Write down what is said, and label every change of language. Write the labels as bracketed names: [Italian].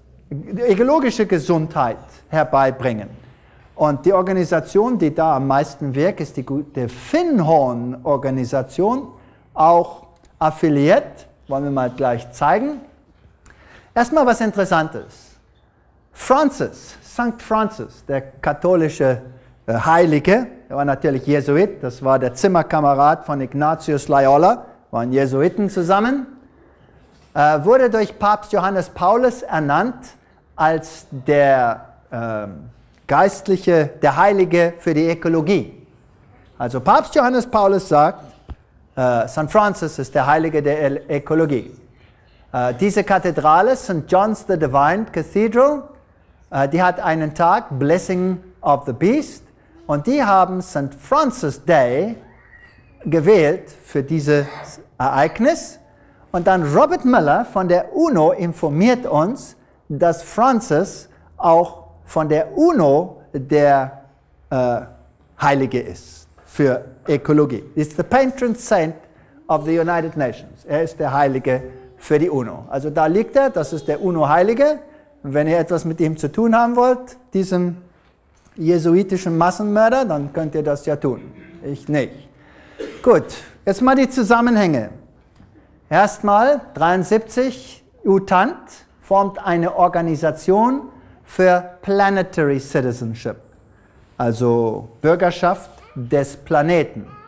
[German] ökologische Gesundheit herbeibringen. Und die Organisation, die da am meisten wirkt, ist die gute Finnhorn-Organisation, auch affiliiert, wollen wir mal gleich zeigen. Erstmal was Interessantes. Francis, St. Francis, der katholische Heilige, er war natürlich Jesuit, das war der Zimmerkamerad von Ignatius Loyola, waren Jesuiten zusammen, wurde durch Papst Johannes Paulus ernannt als der Geistliche, der Heilige für die Ökologie. Also Papst Johannes Paulus sagt, St. Francis ist der Heilige der Ökologie. Diese Kathedrale, St. John's the Divine Cathedral, die hat einen Tag, Blessing of the Beast, und die haben St. Francis Day gewählt für dieses Ereignis. Und dann Robert Miller von der UNO informiert uns, dass Francis auch von der UNO der Heilige ist für Ökologie. [English] He's the patron saint of the United Nations. [German] Er ist der Heilige für die UNO. Also da liegt er, das ist der UNO-Heilige. Wenn ihr etwas mit ihm zu tun haben wollt, diesem jesuitischen Massenmörder, dann könnt ihr das ja tun. Ich nicht. Gut, jetzt mal die Zusammenhänge. Erstmal 73, UTANT formt eine Organisation für Planetary Citizenship, also Bürgerschaft des Planeten.